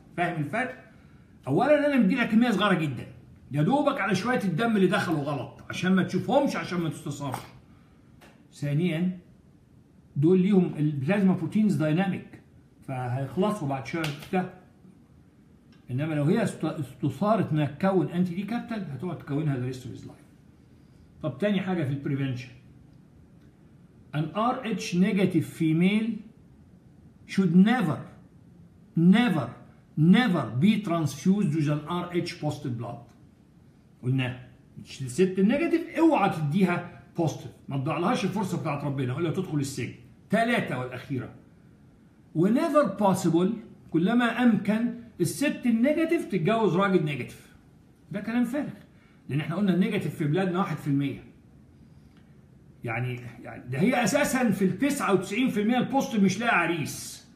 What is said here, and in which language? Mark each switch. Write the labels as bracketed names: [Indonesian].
[Arabic] فاهم الفرق؟ اولا انا مدي لك كميه صغيره جدا يا دوبك على شويه الدم اللي دخلوا غلط عشان ما تشوفهمش عشان ما تستثارش. ثانيا دول ليهم البلازما بروتينز دايناميك فهيخلصوا بعد شويه، انما لو هي استثارت انها تكون انتي دي كابيتال هتقعد تكونها ذا ريست اوف لايف. طب تاني حاجة في البريفنشن، [English] an Rh negative female should never never never be transfused with an Rh positive blood. [Arabic] قلناها مش الست النيجاتيف اوعى تديها بوزيتيف، ما تضيعلهاش الفرصة بتاعت ربنا ولا تدخل السجن. ثلاثة والأخيرة، whenever possible كلما أمكن الست النيجاتيف تتجوز راجل نيجاتيف. ده كلام فارغ لان احنا قلنا النيجاتيف في بلادنا 1%، يعني ده هي اساسا في ال 99% البوست مش لاقي عريس.